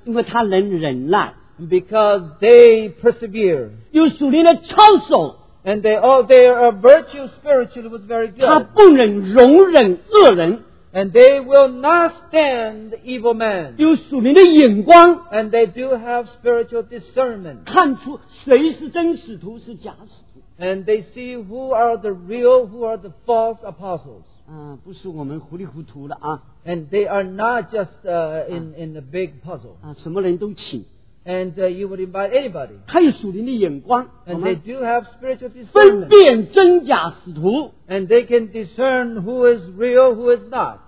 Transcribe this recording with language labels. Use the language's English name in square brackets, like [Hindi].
[Chinese] 因为他能忍耐。 [English] Because they persevere. [Chinese] 有属灵的操守。 [English] And they are virtuous spiritually was very good. [Chinese] 他不能容忍恶人。 [English] And they will not stand the evil man. [Chinese] 有属灵的眼光。 [English] And they do have spiritual discernment. [Chinese] 看出谁是真使徒，是假使徒。 [English] And they see who are the real, who are the false apostles. [Chinese] 嗯，不是我们糊里糊涂的啊。 [English] And they are not just in the big puzzle. [Chinese] 啊，什么人都请。 [English] And you would invite anybody. [Chinese] 他有属灵的眼光。 [English] And they do have spiritual discernment. [Chinese] 分辨真假使徒。 [English] And they can discern who is real, who is not.